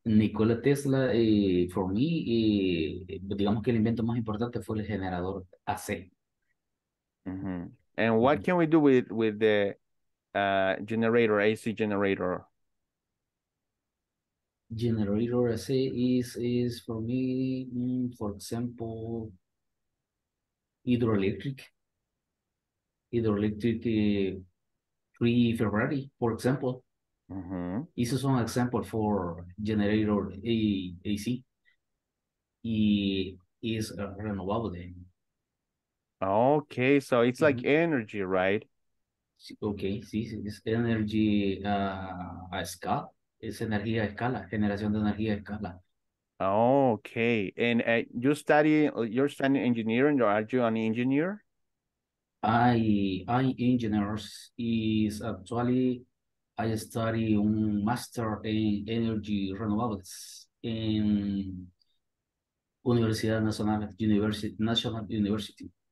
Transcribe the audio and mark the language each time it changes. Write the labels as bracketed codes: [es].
[es] Nikola Tesla, [en] for me, [es] digamos que el invento más importante fue el generador AC. Mm-hmm. [en] And what can we do with the generator, AC generator? Generator AC is for me, for example, hydroelectric. Hydroelectric 3 Ferrari, for example. Mm-hmm. This is an example for generator AC. It is renewable then. Okay, so it's like energy, right? [es] Okay, sí, es energy a escala, es energía a escala, generación de energía a escala. [en] Oh, okay, and you're studying engineering, or are you an engineer? I engineers is actually I study a master in energy renewables in Universidad Nacional, National University.